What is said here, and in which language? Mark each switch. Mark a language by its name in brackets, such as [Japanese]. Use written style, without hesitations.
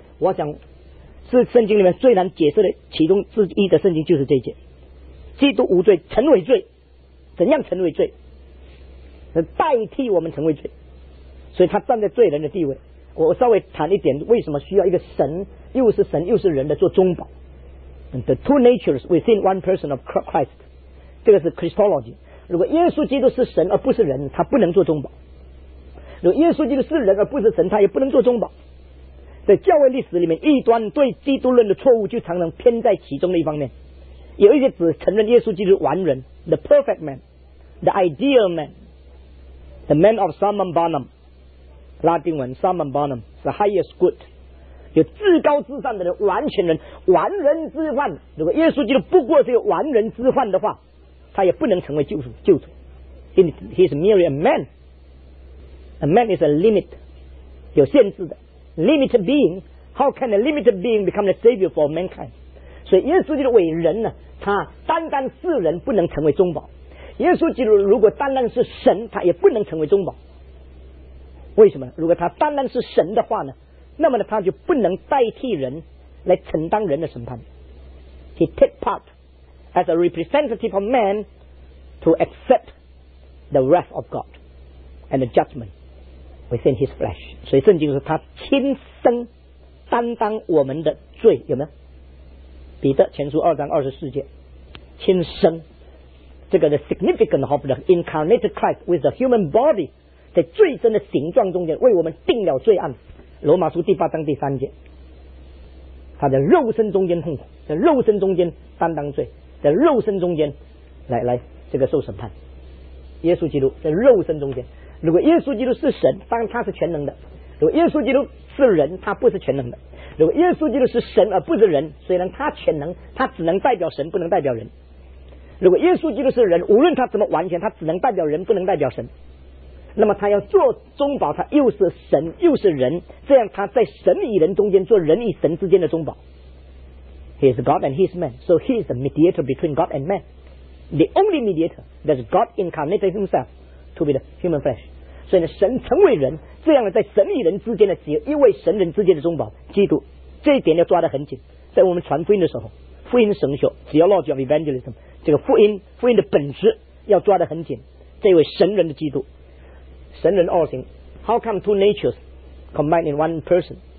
[Chinese] 我想是圣经里面最难解释的其中之一的圣经，就是这一节，基督无罪成为罪。怎样成为罪？代替我们成为罪。所以他站在罪人的地位。我稍微谈一点为什么需要一个神，又是神又是人的做中保， [English] the two natures within one person of Christ. [Chinese] 这个是 Christology。如果耶稣基督是神而不是人，他不能做中保。如果耶稣基督是人而不是神，他也不能做中保。在教会历史里面，异端对基督论的错误就常常偏在其中的一方面。有一些只承认耶稣基督完人 [English] The perfect man, The ideal man, The man of summum bonum, [Chinese] 拉丁文 summum bonum, [English] The highest good, [Chinese] 有至高至上的人，完全人，完人之患。如果耶稣基督不过是个完人之患的话，他也不能成为救主。 [English] He is merely a man. A man is a limit, [Chinese] 有限制的。 [English] Limited being, how can a limited being become the savior for mankind? [Chinese] 所以耶稣基督为人呢，他单单是人不能成为中保。耶稣基督如果单单是神，他也不能成为中保。为什么？如果他单单是神的话呢，那么呢，他就不能代替人来承担人的审判。 [English] He take part as a representative of man to accept the wrath of God and the judgment. Within his flesh. [Chinese] 所以圣经说他亲身担当我们的罪，有没有？彼得前书二章二十四节，亲身，这个 [English] the significance of the incarnated Christ with the human body [Chinese] 在罪身的形状中间为我们定了罪案。罗马书第八章第三节，他在肉身中间痛苦，在肉身中间担当罪，在肉身中间来这个受审判。耶稣基督在肉身中间，如果耶稣基督是神，当然他是全能的。如果耶稣基督是人，他不是全能的。如果耶稣基督是神而不是人，虽然他全能，他只能代表神，不能代表人。如果耶稣基督是人，无论他怎么完全，他只能代表人，不能代表神。那么他要做中保，他又是神又是人，这样他在神与人中间做人与神之间的中保。 [English] He is God and he is man, so he is the mediator between God and man, the only mediator that is God incarnated himselfTo be the human flesh. [Chinese] 所以呢，神成为人，这样呢，在神与人之间的只有一位神人之间的中保，基督。这一点要抓得很紧。在我们传福音的时候，福音神学 theology of evangelism 这个福音的本质要抓得很紧。这位神人的基督，神人二行 ， [English] How come two natures combined in one person?